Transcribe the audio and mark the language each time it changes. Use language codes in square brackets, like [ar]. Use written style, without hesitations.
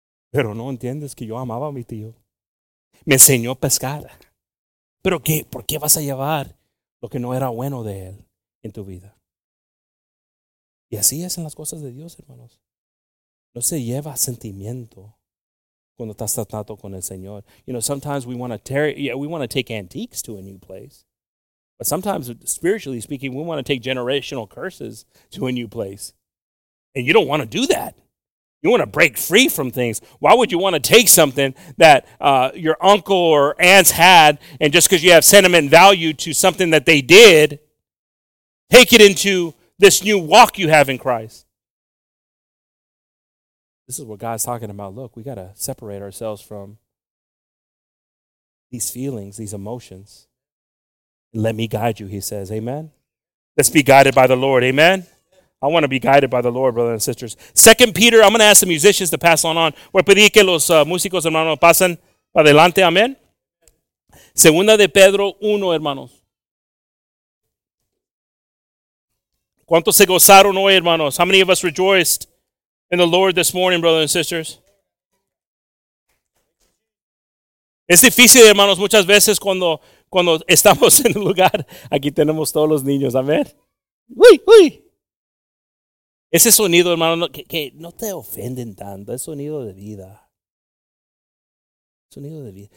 [es] Pero no entiendes que yo amaba a mi tío. Me enseñó a pescar. ¿Pero qué? ¿Por qué vas a llevar lo que no era bueno de él en tu vida? Y así es en las cosas de Dios, hermanos. No se lleva sentimiento cuando estás tratando con el Señor. [en] You know, sometimes we want to tear, yeah, we want to take antiques to a new place. But sometimes, spiritually speaking, we want to take generational curses to a new place. And you don't want to do that. You want to break free from things. Why would you want to take something that your uncle or aunts had, and just because you have sentiment value to something that they did, take it into this new walk you have in Christ? This is what God's talking about. Look, we got to separate ourselves from these feelings, these emotions. Let me guide you, he says. Amen. Let's be guided by the Lord. Amen. I want to be guided by the Lord, brothers and sisters. Second Peter, I'm going to ask the musicians to pass on. [es] Voy a pedir que los músicos, hermanos, pasen para adelante. Amen. Segunda de Pedro 1, hermanos. ¿Cuántos se gozaron hoy, hermanos? [en] How many of us rejoiced in the Lord this morning, brothers and sisters? [es] Es difícil, hermanos, muchas veces cuando estamos en el lugar. Aquí tenemos todos los niños. Amen. Uy, uy. Ese sonido, hermano, que no te ofenden tanto. Es sonido de vida. Sonido de vida.